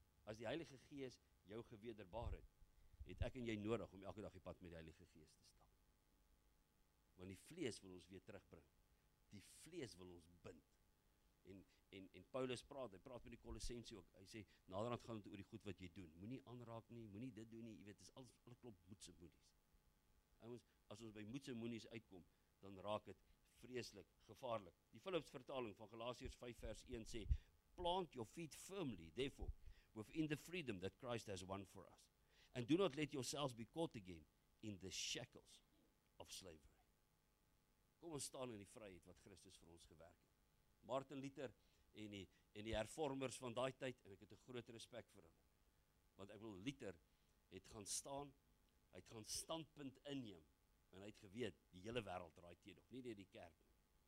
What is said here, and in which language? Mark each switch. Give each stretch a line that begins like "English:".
Afrikaans: As die Heilige Gees jou gewederbaar het, het ek en jy nodig om elke dag die pad met die Heilige Gees te stap. Want die vlees wil ons weer terugbring. Die vlees wil ons bind. En Paulus praat, hy praat met die Kolossense ook, hy sê, naderhand gaan het oor die goed wat jy doen, moenie aanraak nie, moenie dit doen nie, jy weet, is alles klop moedse moedies. As ons by moedse moedies uitkom, dan raak het vreselik, gevaarlik. Die Philips vertaling van Galasiërs 5 vers 1 sê,
English: plant your feet firmly, therefore, within the freedom that Christ has won for us, and do not let yourselves be caught again in the shackles of slavery.
Afrikaans: Kom ons staan in die vryheid wat Christus vir ons gewerk het. Martin Luther en die hervormers van daai tyd, en ek het 'n groot respek vir hulle. Want ek wil, Luther het gaan staan, hy het gaan standpunt inneem, en hy het geweet, die hele wêreld draai teen hom, nie net die kerk nie.